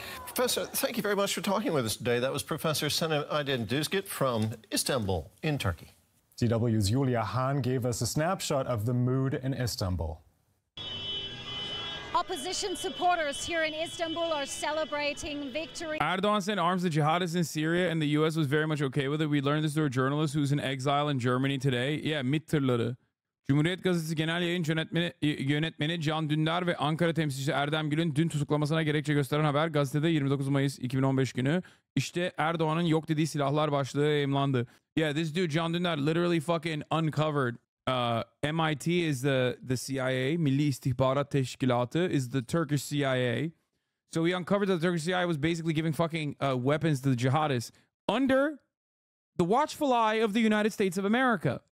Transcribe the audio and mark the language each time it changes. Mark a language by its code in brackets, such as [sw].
[en] Professor, thank you very much for talking with us today. That was Professor Senem Aydin Düzgit from Istanbul in Turkey. DW's Julia Hahn gave us a snapshot of the mood in Istanbul. Opposition supporters here in Istanbul are celebrating victory. Erdoğan sent arms to jihadists in Syria, and the U.S. was very much okay with it. We learned this through a journalist who's in exile in Germany today. Yeah, Mitterlere. [tr] Cumhuriyet Gazetesi Genel Yayın Yönetmeni Can Dündar ve Ankara temsilcisi Erdem Gül'ün dün tutuklamasına gerekçe gösteren haber gazetede 29 Mayıs 2015 günü. İşte Erdoğan'ın yok dediği silahlar başlığı yayımlandı. [en] Yeah, this dude Can Dündar literally fucking uncovered. MIT is the CIA, Milli İstihbarat Teşkilatı is the Turkish CIA. So we uncovered that the Turkish CIA was basically giving fucking weapons to the jihadists under the watchful eye of the United States of America.